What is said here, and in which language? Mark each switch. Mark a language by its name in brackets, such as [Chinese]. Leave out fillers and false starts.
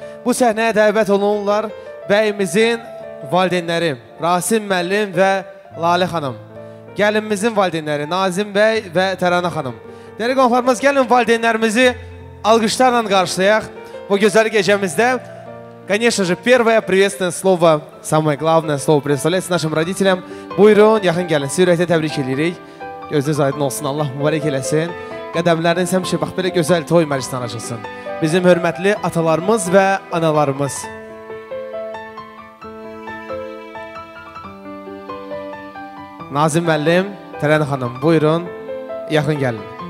[Azerbaijani] Bu səhnəyə dəvət olunurlar bəyimizin valideynləri, Rasim müəllim və Lalə xanım. Gəlinimizin valideynləri, Nazim bəy və Tərana xanım. Dəyərli qonaqlarımız, gəlin valideynlərimizi alqışlarla qarşılayaq bu gözəl gecəmizdə. [Russian] Конечно же, первое приветственное слово, самое главное слово представляется нашим родителям. [Azerbaijani] Buyurun, yaxın gəlin. Sürətlə təbrik edirik. Gözünüz aydın olsun. Allah mübarək eləsin. Qədəmləriniz həmişə bax belə gözəl toy məclisinə açılsın. Bizim hörmətli atalarımız və analarımız. Nazim müəllim, Tərənə xanım, buyurun, yaxın gəlin.